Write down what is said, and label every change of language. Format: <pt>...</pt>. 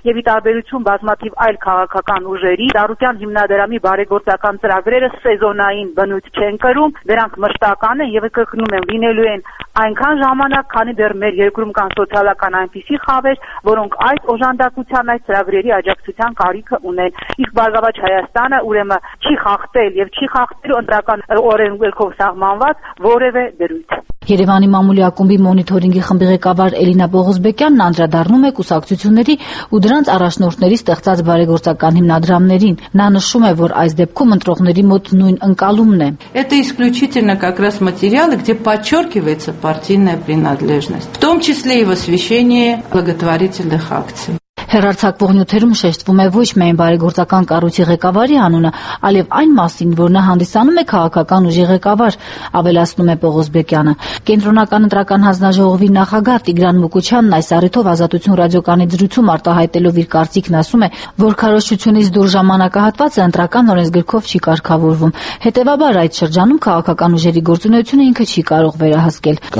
<hy>Եվ ի տարբերություն բազմաթիվ այլ քաղաքական ուժերի, Դարուկյան հիմնադրամի բարեգործական ծրագրերը սեզոնային բնույթ չեն կրում, դրանք մշտական են եւ կգտնում են լինելու են այնքան ժամանակ, քանի դեռ մեր երկրում կան սոցիալական այնպիսի խավեր, որոնք այդ օժանդակության այդ ծրագրերի աջակցության կարիք ունեն։ Իսկ Բարգավաճ Հայաստանը ուրեմն չի խախտել եւ չի խախտելու ընդրական օրենքով սահմանված որևէ դրույթ։ Երևանի մամուլի ակումբի մոնիթորինգի խմբի ղեկավար Էլինա Բողոսբեկյանն անդրադառնում է կուսակցությունների ու դրանց առաջնորդների ստեղծած բարեգործական հիմնադրամներին։ Նա նշում է, որ այս դեպքում ընտրողների մոտ նույն ընկալումն է։</hy> <ru>Это исключительно как раз материалы, где подчёркивается партийная принадлежность, в том числе и в освещении благотворительных акций.</ru> <hy>Հերարցակվող նյութերում շեշտվում է ոչ միայն բարեգործական կառույցի ղեկավարի անունը, այլև այն մասին, որ նա հանդիսանում է քաղաքական ուժի ղեկավար, ավելացնում է Պողոսբեկյանը։ Կենտրոնական ընտրական հանձնաժողովի նախագահ Տիգրան Մուկուչյանն այս առիթով Ազատություն ռադիոկանի դրույթում արտահայտելով իր կարծիքն ասում է, որ քարոշչությունից դուր ժամանակահատվածը ընտրական օրենսգրքով չի կարգավորվում, հետևաբար այդ շրջանում քաղաքական ուժերի գործունեությունը ինքը չի կարող վերահսկել։</hy>